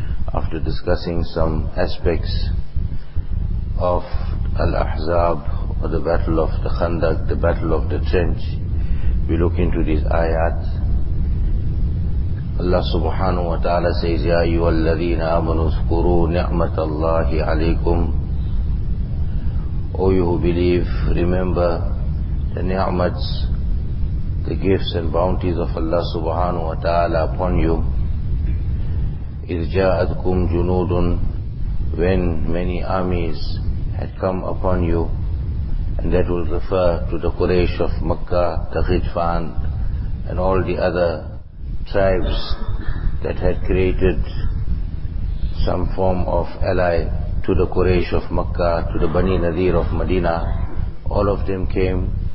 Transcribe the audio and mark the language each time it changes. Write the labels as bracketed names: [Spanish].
[English] After discussing some aspects of Al-Ahzab or the battle of the Khandaq, the battle of the trench, we look into these ayat. Allah subhanahu wa ta'ala says, [Arabic] يَا أَيُّهَا الَّذِينَ آمَنُوا اذْكُرُوا نِعْمَةَ اللَّهِ عَلَيْكُمْ. [English] O you who believe, remember the ni'mats, the gifts and bounties of Allah subhanahu wa ta'ala upon you. [Arabic] إِذْ جَاءَتْكُمْ جُنُودٌ, [English] when many armies had come upon you, and that will refer to the Quraysh of Makkah, the Ghitfan, and all the other tribes that had created some form of ally to the Quraysh of Makkah, to the Bani Nadir of Medina, all of them came.